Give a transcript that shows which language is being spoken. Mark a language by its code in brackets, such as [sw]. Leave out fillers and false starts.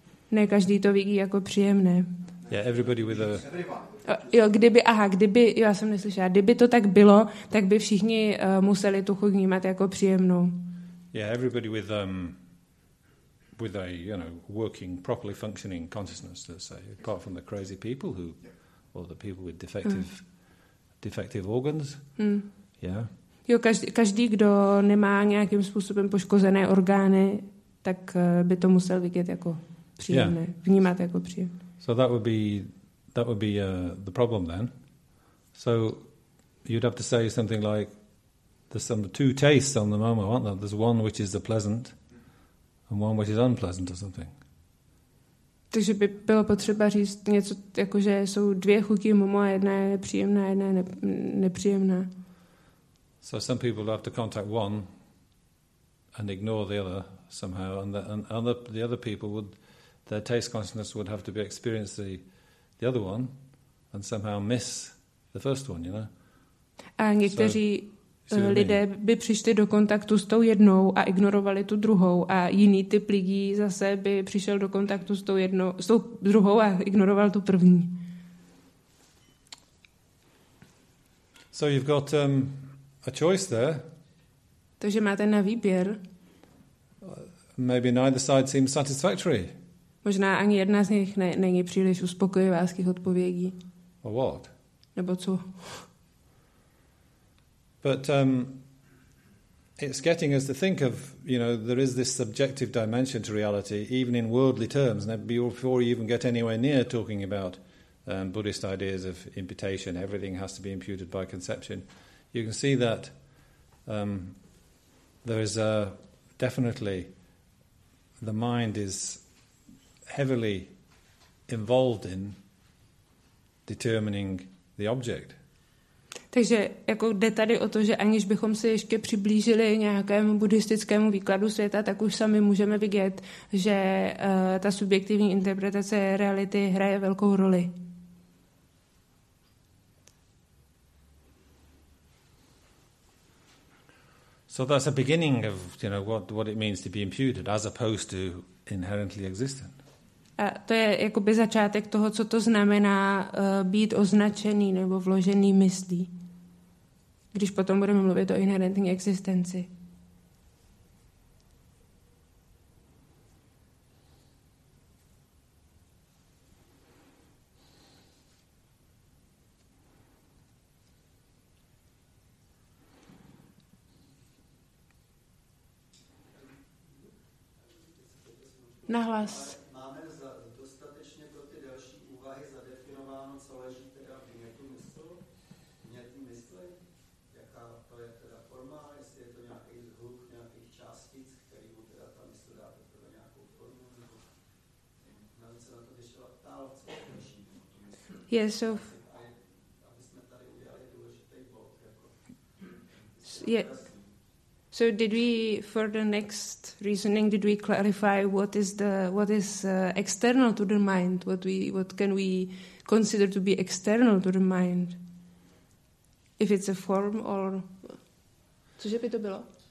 [cs] Ne každý to vidí jako příjemné. [en] Yeah, everybody with a... [cs] Jo, já jsem neslyšela, kdyby to tak bylo, tak by všichni museli tu chuť vnímat jako příjemnou. [en] Yeah, everybody with a, you know, working, properly functioning consciousness, let's say, apart from the crazy people who, or the people with defective organs. Mm. Yeah. [cs] Jo, každý, kdo nemá nějakým způsobem poškozené orgány, tak by to musel vidět jako příjemné, yeah. Vnímat jako příjemné. [en] So that would be the problem then. So you'd have to say something like there's some two tastes on the moment, aren't there? There's one which is the pleasant and one which is unpleasant or something. [cs] Takže by bylo potřeba říct něco jako, že jsou dvě chuti momo, jedna je příjemná, jedna je nepříjemná. [en] So some people have to contact one and ignore the other somehow, and the other people would, their taste consciousness would have to be experience the other one and somehow miss the first one, you know. [cs] A někteří lidé by přišli do kontaktu s tou jednou a ignorovali tu druhou, a jiný typ lidí zase by přišel do kontaktu s tou druhou a ignoroval tu první. [en] So you've got a choice there. [cs] Takže máte na výběr. [en] Maybe neither side seems satisfactory. [cs] Možná ani jedna z nich není příliš uspokojivá z těch odpovědí. [en] Or what? [cs] Nebo co? [en] But it's getting us to think of, you know, there is this subjective dimension to reality, even in worldly terms. And before you even get anywhere near talking about Buddhist ideas of imputation, everything has to be imputed by conception. You can see that there is definitely the mind is heavily involved in determining the object. [cs] Takže jako jde tady o to, že aniž bychom se ještě přiblížili nějakému buddhistickému výkladu světa, tak už sami můžeme vidět, že ta subjektivní interpretace reality hraje velkou roli. [en] So that's a beginning of, you know, what it means to be imputed as opposed to inherently existent. [cs] A to je jakoby začátek toho, co to znamená být označený nebo vložený myslí. Když potom budeme mluvit o inherentní existenci. Nahlas. Máme dostatečně pro ty další úvahy zadefinováno, co leží teda v mětu mysli? Mětu mysli? Jaká to je teda forma? Jestli je to nějaký zhluk nějakých částic, který mu teda ta mysl dá pro nějakou formu? Nebo nevím, se na to ještě ptal, co leží v mětu mysli? Jesuf. Aby jsme tady udělali důležitý bod. Jako, je... [en] So did we, for the next reasoning, did we clarify what is the external to the mind? What can we consider to be external to the mind? If it's a form or... [cs] Cože by to bylo?